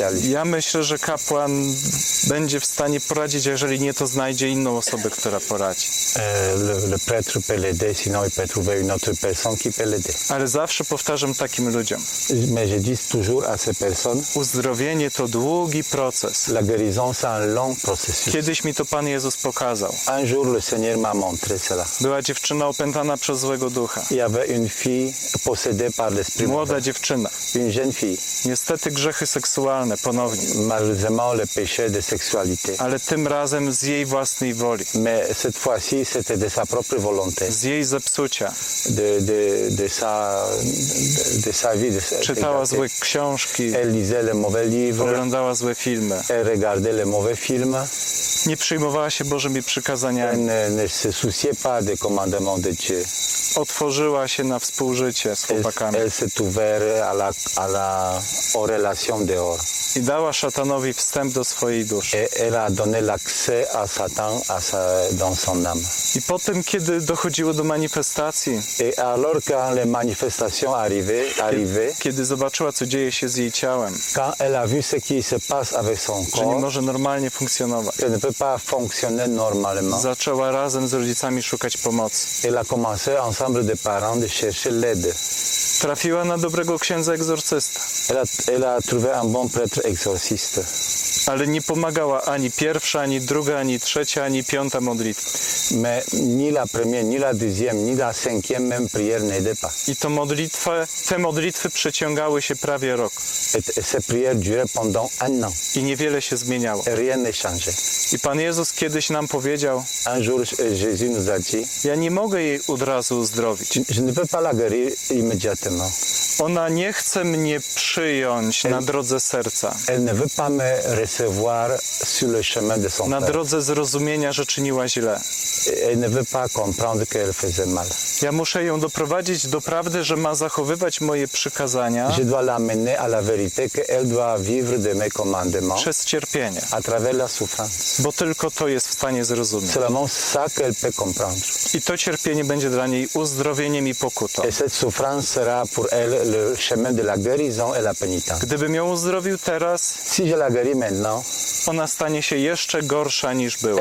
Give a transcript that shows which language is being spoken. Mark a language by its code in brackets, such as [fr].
[pl] Ja myślę, że kapłan będzie w stanie poradzić, jeżeli nie, to znajdzie inną osobę, która poradzi. [fr] Le prêtre peut l'aider, sinon il peut trouver une autre personne qui peut l'aider. [pl] Ale zawsze powtarzam takim ludziom. [fr] Mais je dis toujours à ces personnes. [pl] Uzdrowienie to długi proces. [fr] La guérison c'est un long processus. [pl] Kiedyś mi to Pan Jezus pokazał. [fr] Un jour le Seigneur m'a montré cela. [pl] Była dziewczyna opętana przez złego ducha. [fr] Il y avait une fille possédée par l'esprit. [pl] Młoda dziewczyna. [fr] Une jeune fille. [pl] Niestety grzechy seksualne ponownie. [fr] Malheureusement le péché de sexualité. [pl] Ale tym razem z jej własnej woli. [fr] Mais cette fois-ci c'était de sa propre volonté. [pl] Z jej zepsucia. [fr] De sa vie. [pl] Czytała złe książki. [fr] Elle lisait les mauvais livres. [pl] Oglądała złe filmy. [fr] Elle regardait les mauvais films. [pl] Nie przyjmowała się Bożymi przykazaniami. [fr] Ne se souciait pas des commandements de Dieu. [pl] Otworzyła się na współżycie z chłopakami. [fr] Elle s'est ouverte aux relations dehors. [pl] I dała szatanowi wstęp do swojej duszy. [fr] Et elle a donné l'accès à Satan dans son âme. [pl] I potem, kiedy dochodziło do manifestacji, [fr] et alors quand les manifestations arrivaient, [pl] kiedy zobaczyła, co dzieje się z jej ciałem, [fr] quand elle a vu ce qui se passe avec son corps, [pl] że nie może normalnie funkcjonować, [fr] elle ne peut pas fonctionner normalement, [pl] zaczęła razem z rodzicami szukać pomocy. [fr] Elle a commencé ensemble des parents de chercher l'aide. [pl] Trafiła na dobrego księdza egzorcysta. [fr] Elle a trouvé un bon prêtre exorciste. [pl] Ale nie pomagała ani pierwsza, ani druga, ani trzecia, ani piąta modlitwa. [fr] Mais ni la première, ni la deuxième, ni la cinquième même prière n'aidait pas. [pl] I to modlitwa, te modlitwy przeciągały się prawie rok. [fr] Et ces prières duraient pendant un an. [pl] I niewiele się zmieniało. [fr] Et rien ne changeait. [pl] I Pan Jezus kiedyś nam powiedział, [fr] un jour Jésus nous a dit, [pl] ja nie mogę jej od razu uzdrowić. [fr] Je ne peux pas la guérir immédiatement. [pl] Ona nie chce mnie przyjąć na drodze serca. [fr] Elle ne veut pas me recevoir. se voir sur le chemin de son père. [pl] Na drodze zrozumienia, że czyniła źle. [fr] Elle ne veut pas comprendre qu'elle faisait mal. [pl] Ja muszę ją doprowadzić do prawdy, że ma zachowywać moje przykazania. [fr] Je dois l'amener à la vérité qu'elle doit vivre de mes commandements. [pl] Przez cierpienie. [fr] À travers la souffrance. [pl] Bo tylko to jest w stanie zrozumieć. [fr] Seulement ça qu'elle peut comprendre. [pl] I to cierpienie będzie dla niej uzdrowieniem i pokutą. [fr] Et cette souffrance sera pour elle le chemin de la guérison et la pénitence. [pl] Gdybym ją uzdrowił teraz, [fr] si je la guéris maintenant, [pl] ona stanie się jeszcze gorsza niż była.